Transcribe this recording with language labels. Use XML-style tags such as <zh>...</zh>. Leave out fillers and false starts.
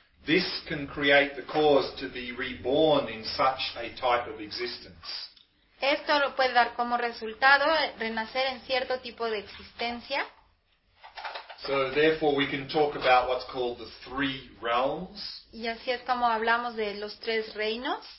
<en>this can create the cause to be reborn in such a type of existence.</en> <es>Esto lo puede dar como resultado renacer en cierto tipo de existencia.</es> <en>So therefore we can talk about what's called the three realms.</en> <es>Y así es como hablamos de los tres reinos.</es>